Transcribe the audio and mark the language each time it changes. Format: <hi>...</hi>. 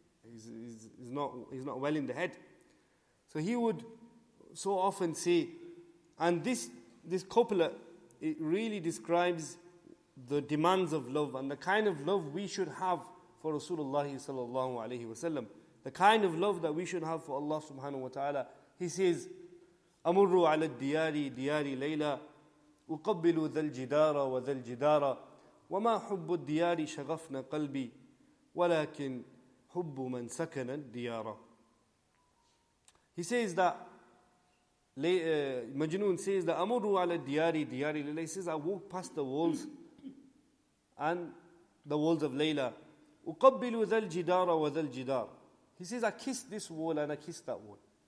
<en>He's not well in the head. So he would so often say, and this couplet, it really describes the demands of love and the kind of love we should have for Rasulullah sallallahu alayhi wa sallam. The kind of love that we should have for Allah subhanahu wa ta'ala. He says,</en> <ar>أمروا على الديار ديار ليلى أقبل ذا الجدار وذا الجدار وما حب الديار شغفنا قلبي ولكن حب من سكن الديار.</ar> <en>He says that Majnun says that</en> <ar>أمروا على الديار ديار ليلى.</ar> <en>He says I walk past the walls and the walls of</en> <ar>ليلى أقبل ذا الجدار وذا الجدار.</ar> <en>He says I kiss this wall and I kiss that wall.</en>